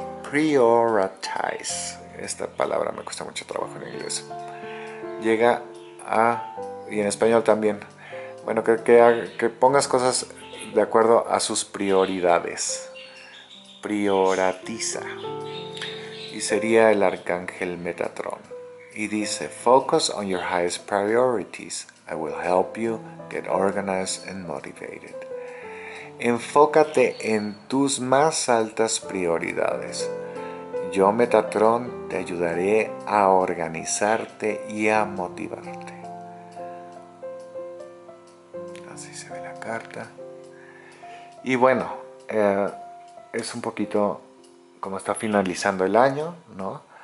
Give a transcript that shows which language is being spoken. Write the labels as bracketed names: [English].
[Spanish] Prioritize. Esta palabra me cuesta mucho trabajo en inglés. Llega a... y en español también. Bueno, que pongas cosas de acuerdo a sus prioridades. Prioratiza. Y sería el arcángel Metatrón. Y dice, [English] focus on your highest priorities. I will help you get organized and motivated. [Spanish] Enfócate en tus más altas prioridades. Yo, Metatrón, te ayudaré a organizarte y a motivarte. Así se ve la carta. Y bueno, es un poquito como está finalizando el año, ¿no?